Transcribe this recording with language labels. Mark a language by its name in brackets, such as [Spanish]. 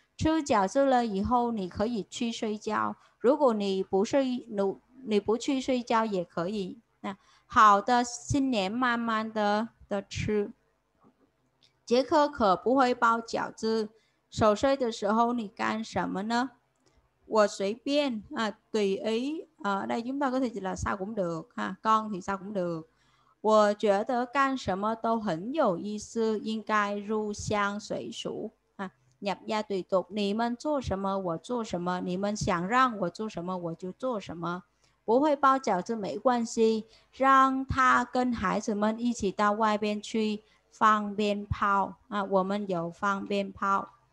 [Chinese] 吃饺子了以后，你可以去睡觉。如果你不去睡觉也可以。那好的，新年慢慢的吃。杰克可不会包饺子，守岁的时候你干什么呢？我随便啊，对哎啊，那 [Vietnamese] chúng ta có thể là sao cũng được ha, con thì sao cũng được。 [Chinese] 我觉得干什么都很有意思，应该入乡随俗啊， [Vietnamese] nhập gia tùy tục。 [Chinese] 你们做什么，我做什么；你们想让我做什么，我就做什么。不会包饺子没关系，让他跟孩子们一起到外边去放鞭炮啊，我们有放鞭炮。